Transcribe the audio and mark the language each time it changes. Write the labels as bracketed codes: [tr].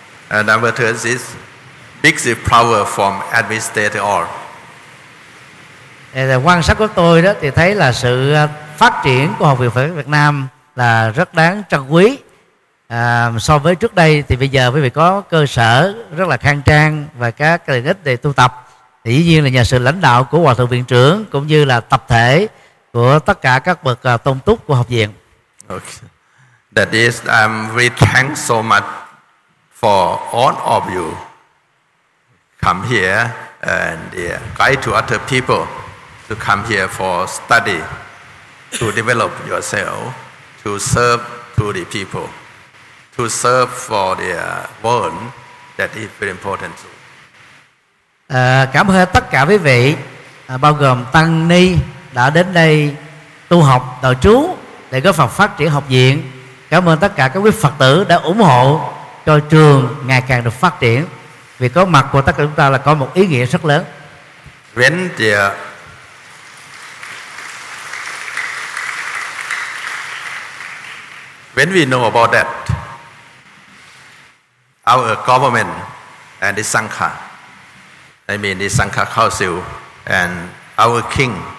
[en] Number third is big the power from administrator all. [vi] Quan sát của tôi đó thì thấy là sự phát triển của Học viện Phật giáo Việt Nam là rất đáng trân quý. So với trước đây thì bây giờ quý vị có cơ sở rất là khang trang và các tiện ích để tu tập. Thì dĩ nhiên là nhờ sự lãnh đạo của Hòa thượng viện trưởng cũng như là tập thể của tất cả các bậc tôn túc của học viện. [en] Okay. That is, I'm very thankful so much for all of you come here and guide to other people to come here for study. to develop yourself, to serve to the people, to serve for the world, that is very important. [vi] Cảm ơn tất cả quý vị, bao gồm tăng ni đã đến đây tu học đạo trú để góp phần phát triển học viện. Cảm ơn tất cả các quý Phật tử đã ủng hộ cho trường ngày càng được phát triển. Vì có mặt của tất cả chúng ta là có một ý nghĩa rất lớn. [en] When the when we know about that, our government and the Sangha, I mean the Sangha Council and our king.